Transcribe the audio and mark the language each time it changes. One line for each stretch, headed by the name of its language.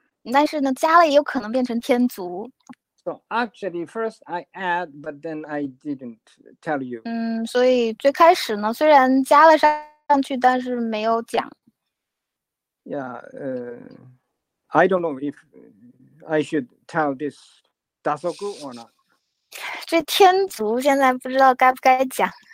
Chinese: 但是呢，加了也有可能变成天竺。
English: So actually, first I add, but then I didn't tell you.
Chinese: 所以最开始呢，虽然加了上去，但是没有讲。
English: Yeah, I don't know if I should tell this dasoku or not.
Chinese: 这天竺现在不知道该不该讲。